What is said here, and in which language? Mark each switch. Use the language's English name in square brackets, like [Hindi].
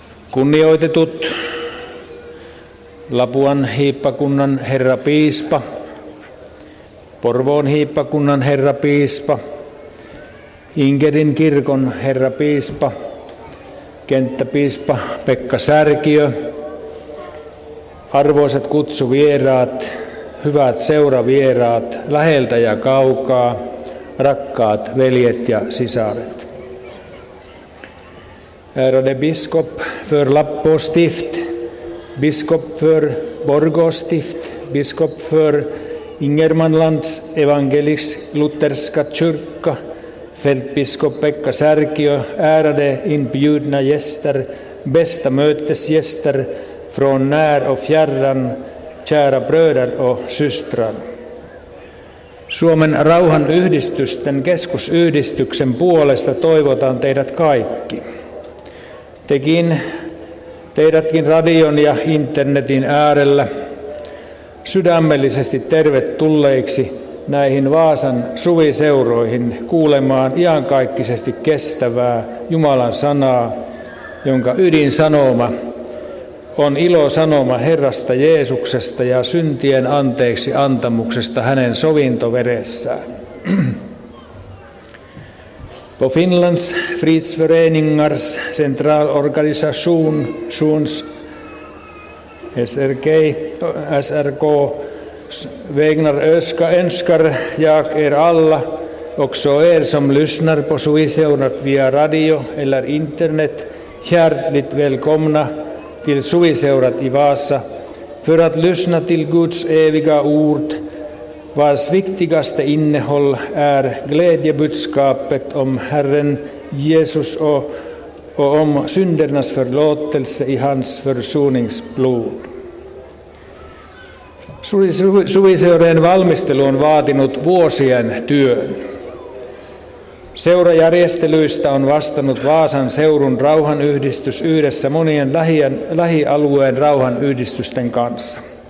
[Finnish] Kunnioitetut Lapuan hiippakunnan herra piispa, Porvoon hiippakunnan herra piispa, Inkerin kirkon herra piispa, kenttäpiispa Pekka Särkiö, arvoisat kutsuvieraat, hyvät seuravieraat läheltä ja kaukaa, rakkaat veljet ja sisaret. [Swedish] Ärade biskop för Lappo stift, biskop för Borgå stift, biskop för Ingermanlands evangelisk-lutherska kyrka, fältbiskop Pekka Särkiö, ärade inbjudna gäster, bästa mötesgäster från när och fjärran, kära bröder och systrar. [Finnish] Suomen rauhan yhdistysten keskusyhdistyksen puolesta toivotan teidät kaikki. Tekin teidätkin radion ja internetin äärellä sydämellisesti tervetulleiksi näihin Vaasan suviseuroihin kuulemaan iankaikkisesti kestävää Jumalan sanaa, jonka ydinsanoma on ilo sanoma Herrasta Jeesuksesta ja syntien anteeksi antamuksesta hänen sovintoveressään. [Swedish] På Finlands fritidsföreningars centralorganisation Suns SRK vägnar önskar jag er alla, också er som lyssnar på Suviseurat via radio eller internet, hjärtligt välkomna till Suviseurat i Vasa för att lyssna till Guds eviga ord, vars viktigaste innehåll är glädjebudskapet om Herren Jesus och om syndernas förlåtelse i hans försoningsblod. [Finnish] Suviseurojen valmistelu on vaatinut vuosien työn. Seurajärjestelyistä on vastannut Vaasan seurun rauhanyhdistys yhdessä monien lähialueen rauhanyhdistysten kanssa.